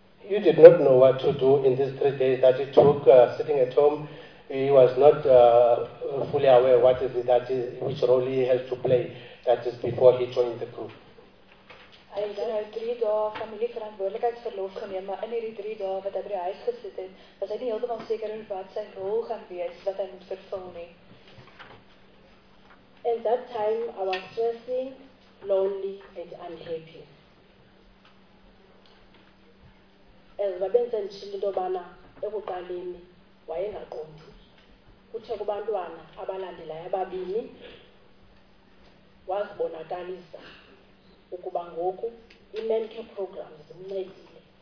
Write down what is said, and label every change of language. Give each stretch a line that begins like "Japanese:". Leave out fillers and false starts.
English: You did not know what to do in these 3 days that he took sitting at home. He was not fully aware what is it that is, which role he has to play. That is before he joined the group.
Afrikaans: Hy het nou 3 dae familie verantwoordelikheidsverlof geneem, maar in hierdie 3 dae wat hy by die huis gesit het, was hy nie heeltemal seker in wat sy rol gaan wees, wat hy moet vervul nie.
English: At that time I was stressing, lonely and unhappy.
Xhosa: As babenze nditshilo into yobana ekuqaleni wayengaqondi kuthe kubantwana abalandelayo ababini wazibonakalisa ukuba ngoku i-men care program zimncedile.